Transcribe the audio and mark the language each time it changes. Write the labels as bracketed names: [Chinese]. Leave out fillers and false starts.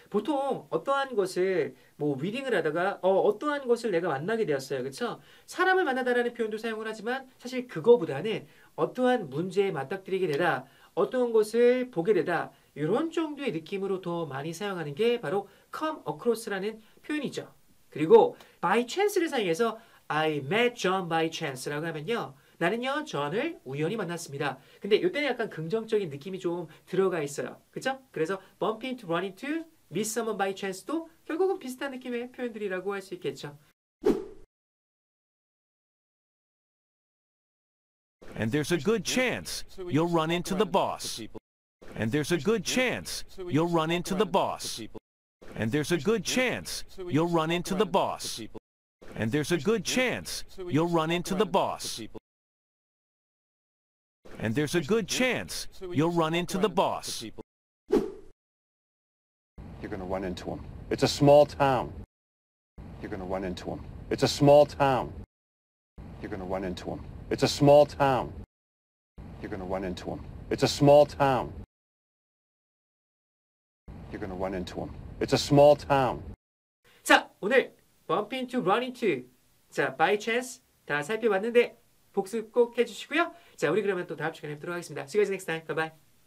[Korean] 보통 어떠한 것을 뭐 reading을 하다가 어떠한 것을 내가 만나게 되었어요. 그렇죠? 사람을 만나다라는 표현도 사용을 하지만 사실 그거보다는 어떠한 문제에 맞닥뜨리게 되다. 어떤 것을 보게 되다. 이런 정도의 느낌으로 더 많이 사용하는 게 바로 come across라는 표현이죠. 그리고 by chance를 사용해서 [English] I met John by chance [Korean] 라고 하면요. 나는요, 존을 우연히 만났습니다. 근데 이때는 약간 긍정적인 느낌이 좀 들어가 있어요. 그쵸? 그래서 bump into, run into, meet someone by chance도 결국은 비슷한 느낌의 표현들이라고 할 수 있겠죠. [English] And there's a good chance you'll run into the boss. And there's a good chance you'll run into the boss. And there's a good chance you'll run into the boss. And there's a good chance you'll run into the boss. And there's a good chance you'll run into the boss. You're gonna run into him. It's a small town. You're gonna run into him. It's a small town. You're gonna run into him. It's a small town. You're gonna run into him. It's a small town. You're gonna run into him. It's a small town. [Korean] 자, 오늘 bump into, run into, 자, by chance 다 살펴봤는데 복습 꼭 해주시고요. 자, 우리 그러면 또 다음 시간에 뵙도록 하겠습니다. [English] See you guys next time. Bye bye.